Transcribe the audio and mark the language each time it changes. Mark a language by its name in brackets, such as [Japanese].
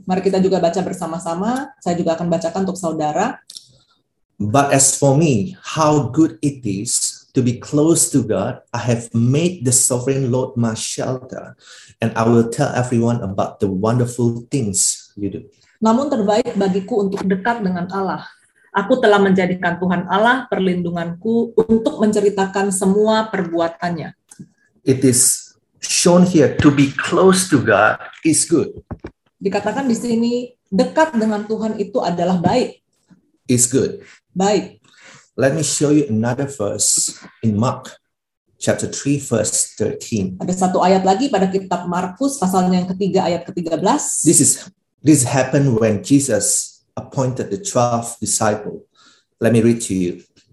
[Indonesian] Mari kita juga baca bersama-sama. Saya juga akan bacakan untuk saudara. [English] But as for me, how good it is to be close to God. I have made the sovereign Lord my shelter, and I will tell everyone about the wonderful things you do. [Indonesian] Namun terbaik bagiku untuk dekat dengan Allah. Aku telah menjadikan Tuhan Allah perlindunganku untuk menceritakan semua perbuatannya. [English] It is shown here to be close to God is good. [Indonesian] Dikatakan di sini dekat dengan Tuhan itu adalah baik. [English] Is good. [Indonesian] Baik. [English] Let me show you another verse in Mark chapter 3 verse 13. [Indonesian] Ada satu ayat lagi pada kitab Markus pasalnya yang ketiga ayat ke-13. [English] This happened when Jesus appointed the 12 disciples. Let me read to you.